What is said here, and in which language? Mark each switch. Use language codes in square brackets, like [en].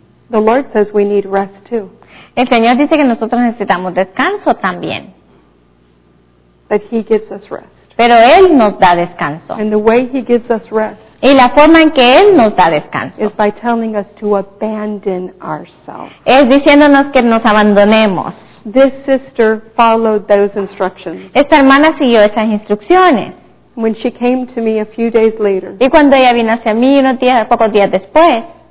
[en] The Lord says we need rest too. [es] El Señor dice que nosotros necesitamos descanso también. [en] But he gives us rest. [es] Pero Él nos da descanso. [en] And the way he gives us rest. [es] Y la forma en que Él nos da descanso. [en] Is by telling us to abandon ourselves. [es] Es diciéndonos que nos abandonemos. [en] This sister followed those instructions. [es] Esta hermana siguió esas instrucciones. [en] When she came to me a few days later. [es] Y cuando ella vino hacia mí unos días, pocos días después.